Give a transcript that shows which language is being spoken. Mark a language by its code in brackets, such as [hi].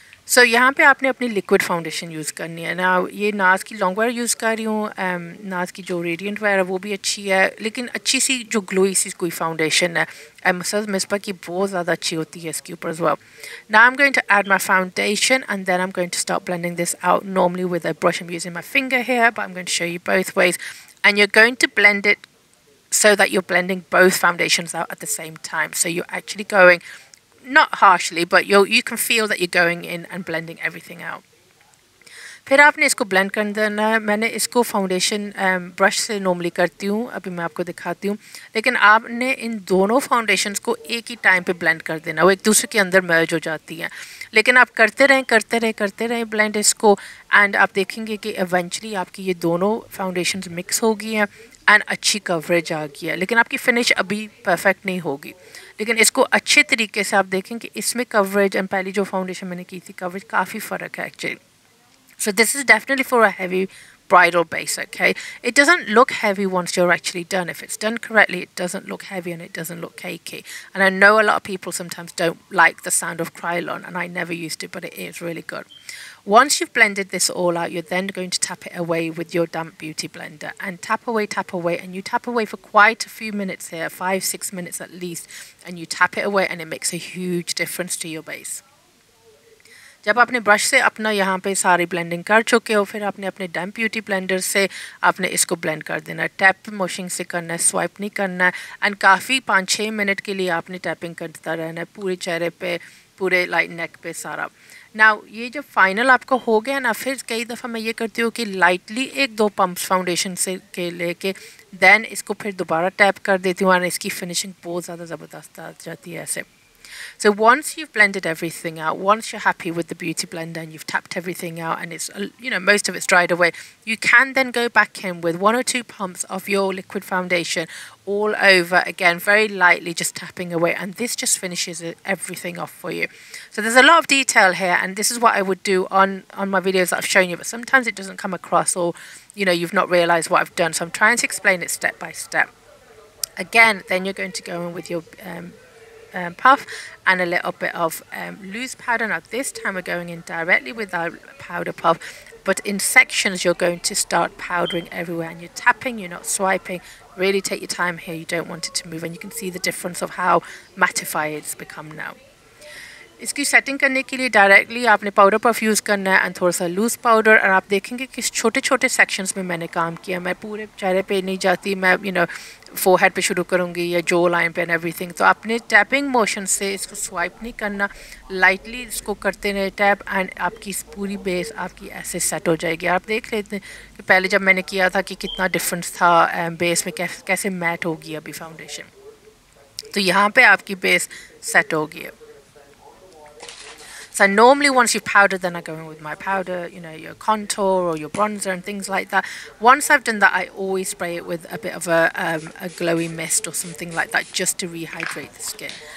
[hi] सो यहाँ पे आपने अपनी लिक्विड फाउंडेशन यूज़ करनी है. ना ये नाज की लॉन्ग वेयर यूज़ कर रही हूँ, नाज की जो रेडियंट वेयर है वो भी अच्छी है, लेकिन अच्छी सी जो ग्लोई सी कोई फाउंडेशन है एमसल मिसपा की बहुत ज़्यादा अच्छी होती है इसके ऊपर. [en] जो ना am going to add my foundation and then am going to start blending this out normally with a brush. I am using my finger here, but I am going to show you both ways. And you are going to blend it so that you are blending both foundations out at the same time. So you actually going not harshly, but you can feel that you're going in and blending everything out. [hi] फिर आपने इसको blend कर देना है. मैंने इसको foundation brush से normally करती हूँ, अभी मैं आपको दिखाती हूँ. लेकिन आपने इन दोनों foundations को एक ही time पर blend कर देना, वो एक दूसरे के अंदर merge हो जाती हैं. लेकिन आप करते रहें blend इसको, and आप देखेंगे कि eventually आपकी ये दोनों foundations mix हो गई हैं एंड अच्छी कवरेज आ गई है. लेकिन आपकी फिनिश अभी परफेक्ट नहीं होगी, लेकिन इसको अच्छे तरीके से आप देखें कि इसमें कवरेज एंड पहली जो फाउंडेशन मैंने की थी कवरेज काफ़ी फ़र्क है actually. [en] So this is definitely for a heavy bridal base. Okay, it doesn't look heavy once you are actually done. If it's done correctly it doesn't look heavy and it doesn't look cakey. And I know a lot of people sometimes don't like the sound of Kryolan and I never used it, but it is really good. Once you've blended this all out, you're then going to tap it away with your damp beauty blender and tap away, and you tap away for quite a few minutes here, 5-6 minutes at least, and you tap it away and it makes a huge difference to your base. [hi] जब आपने brush से अपना यहाँ पे सारी blending कर चुके हो फिर आपने अपने डैम ब्यूटी ब्लेंडर से आपने इसको ब्लेंड कर देना है, टैप मोशिंग से करना है, स्वाइप नहीं करना है एंड काफ़ी 5-6 मिनट के लिए आपने टैपिंग करता रहना है पूरे चेहरे पे, पूरे लाइट नेक पे सारा। नाउ ये जब फाइनल आपका हो गया ना, फिर कई दफ़ा मैं ये करती हूँ कि लाइटली एक दो पम्प्स फाउंडेशन से के लेके देन इसको फिर दोबारा टैप कर देती हूँ और इसकी फिनिशिंग बहुत ज़्यादा ज़बरदस्त आ जाती है ऐसे। [en] So once you've blended everything out, once you're happy with the beauty blender and you've tapped everything out and it's, you know, most of it's dried away, you can then go back in with 1 or 2 pumps of your liquid foundation all over again, very lightly just tapping away. And this just finishes everything off for you. So there's a lot of detail here and this is what I would do on my videos that I've shown you, but sometimes it doesn't come across or, you know, you've not realized what I've done. So I'm trying to explain it step by step. Again, then you're going to go in with your puff and a little bit of loose powder. Now this time we're going in directly with our powder puff, but in sections you're going to start powdering everywhere and you're tapping, you're not swiping. Really take your time here, you don't want it to move, and you can see the difference of how mattified it's become now. [hi] इसकी setting करने के लिए directly आपने powder puff use करना है and थोड़ा सा loose powder, और आप देखेंगे कि छोटे छोटे सेक्शंस में मैंने काम किया। मैं पूरे चेहरे पे नहीं जाती, मैं [en] you know [hi] फोरहेड पे शुरू करूँगी या जो लाइन पे [en] And everything. [hi] तो अपने टैपिंग मोशन से इसको स्वाइप नहीं करना, लाइटली इसको करते रहे टैप एंड आपकी पूरी बेस आपकी ऐसे सेट हो जाएगी। आप देख लेते हैं कि पहले जब मैंने किया था कि कितना डिफरेंस था बेस में, कैसे मैट होगी अभी फाउंडेशन। तो यहाँ पर आपकी बेस सेट होगी। [en] So normally once you've powdered, then I go in with my powder, you know, your contour or your bronzer and things like that. Once I've done that, I always spray it with a bit of a glowy mist or something like that just to rehydrate the skin.